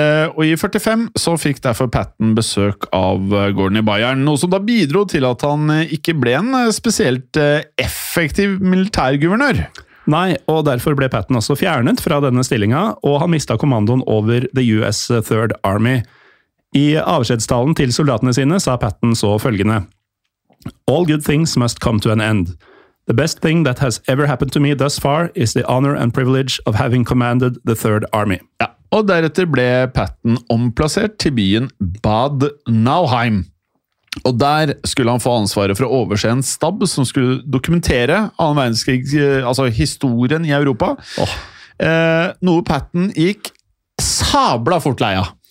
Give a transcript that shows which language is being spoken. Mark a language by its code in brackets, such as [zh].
[no] Og I 45 så fikk derfor Patton besøk av Gordon I Bayern, noe som da bidro til at han ikke ble en spesielt effektiv militærguvernør. Nei, og derfor ble Patton også fjernet fra denne stillingen, og han mistet kommandoen over The US Third Army. I avskedstalen til soldatene sine sa Patton så følgende. [en] All good things must come to an end. The best thing that has ever happened to me thus far is the honor and privilege of having commanded the Third Army. [no] Ja, og deretter ble Patton omplassert til byen Bad Nauheim. Og der skulle han få ansvaret for å overse en stab som skulle dokumentere 2. verdenskrig, altså historien I Europa. Oh. Noe Patton gikk sabla fort leia.